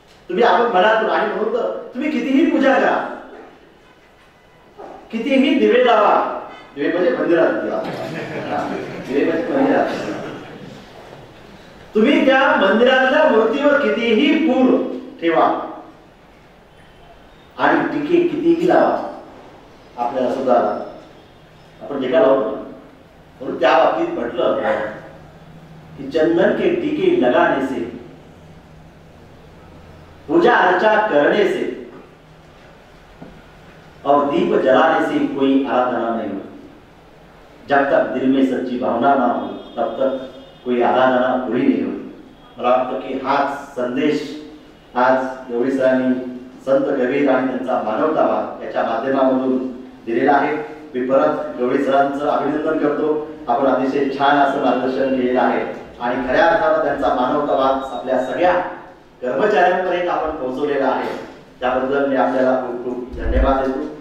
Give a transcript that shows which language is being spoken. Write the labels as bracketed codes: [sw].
[mr] तुम्ही आपण मनातून आणि म्हणून तर तुम्ही कितीही पूजा करा, कितीही दिवे लावा, दिवे म्हणजे मंदिरात दिवा, दिवे म्हणजे मंदिरात, तुम्ही त्या मंदिरातल्या मूर्तीवर कितीही फूल ठेवा आणि टिके कितीही लावा आपल्याला सुद्धा आपण टिका लावतो. म्हणून त्या बाबतीत म्हटलं की [hi] चंदन के टिके लगाने से, पूजा अर्चा करणे से और दीप जलाने से कोई आराधना नहीं हो. जब तक दिल में सच्ची भावना ना हो तब तक कोई आराधना पूरी नहीं हो. [mr] आपके हाथ संदेश आज गवळी सरांनी संत कबीर आणि त्यांचा मानवतावाद याच्या माध्यमातून दिलेला आहे. मी परत गवळी सरांचं अभिनंदन करतो, आपण अतिशय छान असं मार्गदर्शन केलेलं आहे आणि खऱ्या अर्थानं त्यांचा मानवतावाद आपल्या सगळ्या कर्मचाऱ्यांपर्यंत आपण पोहोचवलेला आहे, त्याबद्दल मी आपल्याला खूप खूप धन्यवाद देतो.